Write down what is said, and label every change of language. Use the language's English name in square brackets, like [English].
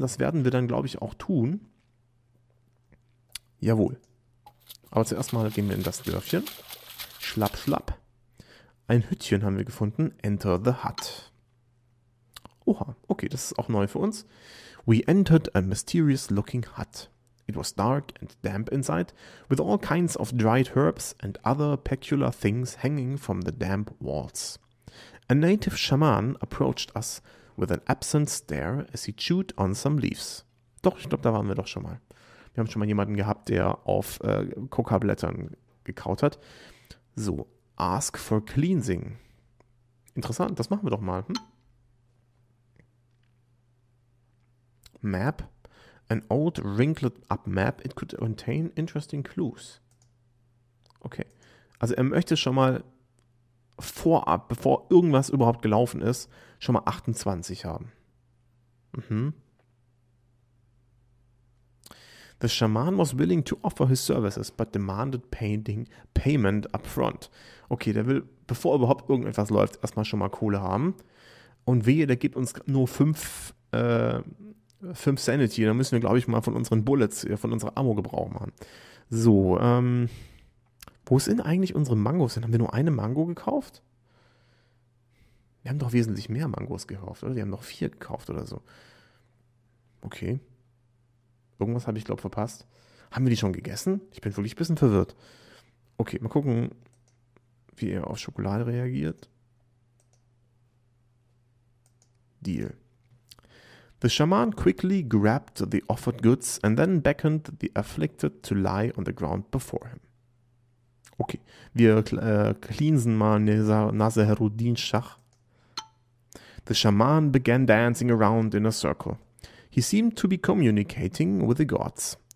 [German] Das werden wir dann, glaube ich, auch tun. Jawohl. Aber zuerst mal gehen wir in das Dörfchen. Schlapp, schlapp. Ein Hütchen haben wir gefunden. [English] Enter the hut. [German] Oha, okay, das ist auch neu für uns. [English] We entered a mysterious looking hut. It was dark and damp inside, with all kinds of dried herbs and other peculiar things hanging from the damp walls. A native shaman approached us with an absent stare as he chewed on some leaves. [German] Doch, ich glaube, da waren wir doch schon mal. Wir haben schon mal jemanden gehabt, der auf Coca-Blättern gekaut hat. So, [English] ask for cleansing. [German] Interessant, das machen wir doch mal. [English] Map. An old wrinkled up map. It could contain interesting clues. Okay. [German] Also er möchte schon mal vorab, bevor irgendwas überhaupt gelaufen ist, schon mal 28 haben. [English] The shaman was willing to offer his services, but demanded payment up front. [German] Okay, der will, bevor überhaupt irgendetwas läuft, erstmal schon mal Kohle haben. Und wehe, der gibt uns nur 5 Sanity. Dann müssen wir, glaube ich, mal von unseren Bullets, von unserer Ammo Gebrauch machen. So, wo sind eigentlich unsere Mangos? Haben wir nur eine Mango gekauft? Wir haben doch wesentlich mehr Mangos gekauft, oder? Wir haben doch 4 gekauft oder so. Okay. Irgendwas habe ich, glaube ich, verpasst. Haben wir die schon gegessen? Ich bin wirklich ein bisschen verwirrt. Okay, mal gucken, wie er auf Schokolade reagiert. Deal. [English] The shaman quickly grabbed the offered goods and then beckoned the afflicted to lie on the ground before him. [German] Okay, wir cleansen mal Nasiruddin Shah. [English] The shaman began dancing around in a circle. He seemed to be communicating with the gods.